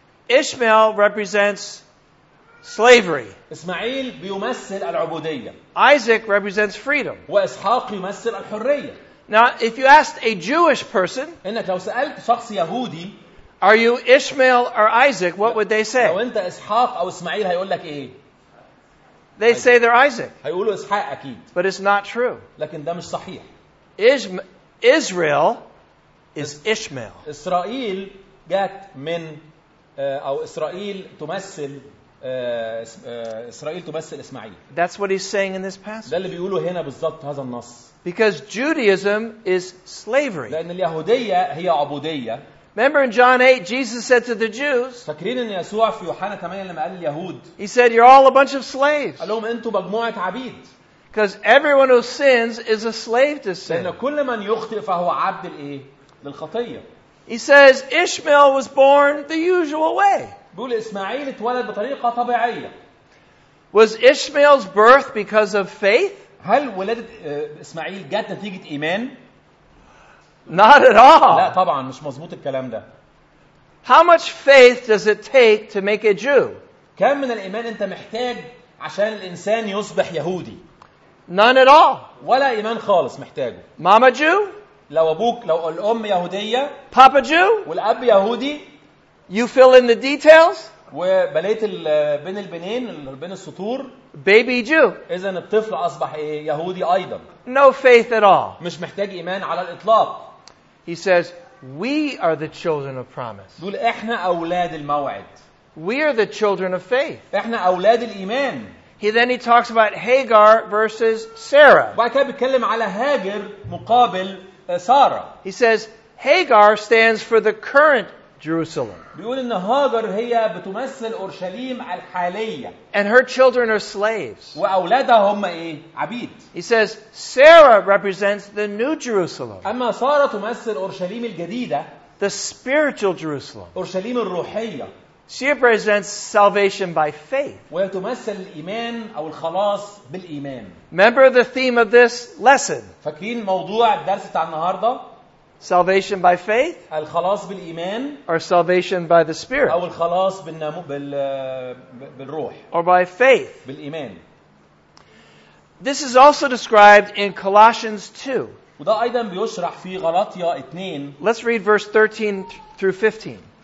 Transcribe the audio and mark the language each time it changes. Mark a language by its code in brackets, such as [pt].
[en] Ishmael represents slavery. [ar] إسماعيل بيمثل العبودية. [en] Isaac represents freedom. [ar] وإسحاق يمثل الحرية. [en] Now, if you asked a Jewish person, [ar] إنك لو سألت شخص يهودي, [en] are you Ishmael or Isaac? What would they say? [ar] لو أنت إسحاق أو إسماعيل هيقول لك إيه؟ [en] They say they're Isaac. [ar] هيقولوا إسحاق أكيد. [en] But it's not true. [ar] لكن ده مش صحيح. [en] Israel is Ishmael. [ar] إسرائيل جت من أو إسرائيل تمثل إسرائيل تمثل إسماعيل. [en] That's what he's saying in this passage. [ar] ده اللي بيقوله هنا بالضبط هذا النص. [en] Because Judaism is slavery. [ar] لأن اليهودية هي عبودية. [en] Remember in John 8, Jesus said to the Jews. [ar] فاكرين إن يسوع في يوحنا 8 لما قال اليهود. [en] He said, "You're all a bunch of slaves." [ar] قال لهم أنتم مجموعة عبيد. [en] Because everyone who sins is a slave to sin. [ar] لأن كل من يخطئ فهو عبد الإيه للخطية. [en] He says, "Ishmael was born the usual way." [ar] بيقول إسماعيل اتولد بطريقة طبيعية. [en] Was Ishmael's birth because of faith? [ar] هل ولادة إسماعيل جت نتيجة إيمان؟ [en] Not at all. [ar] لا طبعا مش مظبوط الكلام ده. [en] How much faith does it take to make a Jew? [ar] كم من الإيمان أنت محتاج عشان الإنسان يصبح يهودي؟ [en] None at all. [ar] ولا إيمان خالص محتاجه. [en] Mama Jew? [ar] لو أبوك لو الأم يهودية. [en] Papa Jew? [ar] والأب يهودي. [en] You fill in the details. [ar] وبليت بين البنين بين السطور. [en] Baby Jew. [ar] إذن الطفل أصبح يهودي أيضا. [en] No faith at all. [ar] مش محتاج إيمان على الإطلاق. [en] He says, "We are the children of promise." [ar] بقول إحنا أولاد الموعد. [en] We are the children of faith. [ar] إحنا أولاد الإيمان. [en] He talks about Hagar versus Sarah. [ar] بعد كده بيتكلم على هاجر مقابل سارة. [en] He says, "Hagar stands for the current." Jerusalem. [ar] بيقول إن هاجر هي بتمثل أورشليم الحالية. [en] And her children are slaves. [ar] وأولادها هم إيه عبيد. [en] He says Sarah represents the new Jerusalem. [ar] أما سارة تمثل أورشليم الجديدة. [en] The spiritual Jerusalem. [ar] أورشليم الروحية. [en] She represents salvation by faith. [ar] وتمثل الإيمان أو الخلاص بالإيمان. [en] Remember the theme of this lesson. [ar] فاكرين موضوع الدرس بتاع النهاردة. [en] Salvation by faith, [ar] الخلاص بالإيمان, [en] or salvation by the Spirit, [ar] أو الخلاص بالنمو بالروح, [en] or by faith, [ar] بالإيمان. [en] This is also described in Colossians 2. [ar] وده أيضا بيشرح في غلاطية 2. [en] Let's read verse 13 through 15.